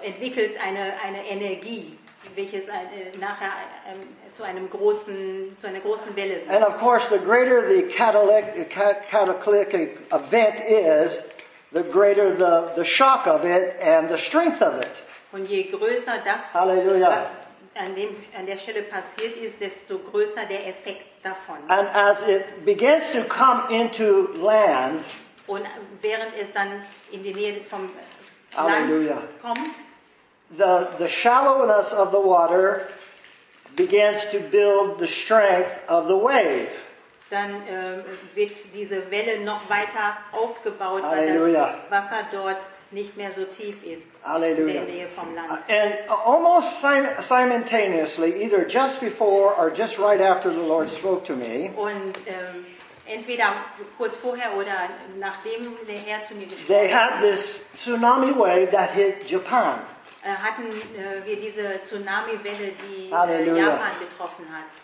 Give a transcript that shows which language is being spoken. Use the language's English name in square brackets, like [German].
[German] Entwickelt eine Energie, welches nachher zu einer großen Welle wird. [English] And of course, the greater the cataclysmic event is, the greater the shock of it and the strength of it. [German] Und je größer das, Halleluja. Was an der Stelle passiert ist, desto größer der Effekt davon. [English] And as it begins to come into land, [German] und während es dann in die Nähe vom Halleluja. Land kommt, [English] the shallowness of the water begins to build the strength of the wave. [German] Dann wird diese Welle noch weiter aufgebaut, Halleluja. Weil das Wasser dort nicht mehr so tief ist, Halleluja. In der Nähe vom Land. [English] And almost simultaneously, either just before or just right after the Lord spoke to me, [German] und entweder kurz vorher oder nachdem der Herr zu mir gesprochen, [English] they had this tsunami wave that hit Japan. [German] Hatten wir diese Tsunami-Welle, die Japan getroffen hat.